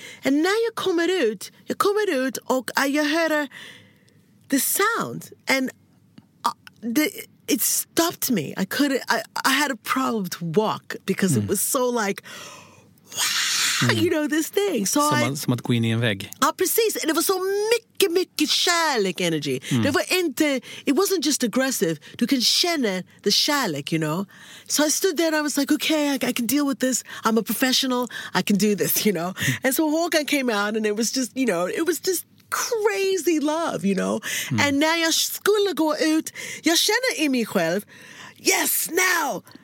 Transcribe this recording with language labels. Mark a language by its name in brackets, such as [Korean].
[Swedish] And now jag kommer ut och jag hör [English] the sound and it stopped me. I couldn't, I had a problem to walk because it was so like, wow, you know, this thing. So [Swedish] som att gå in I en vägg. Ja, precis. Det var så mycket kärlek energi. Det var inte, [English] it wasn't just aggressive. [Swedish] Du kan känna the kärlek, you know. [English] So I stood there and I was like, okay, I can deal with this. I'm a professional. I can do this, you know. And so Håkan came out and it was just, you know, it was just crazy love, you know. Mm. [Swedish] And när jag skulle gå ut, jag känner i mig själv, [English] yes, now.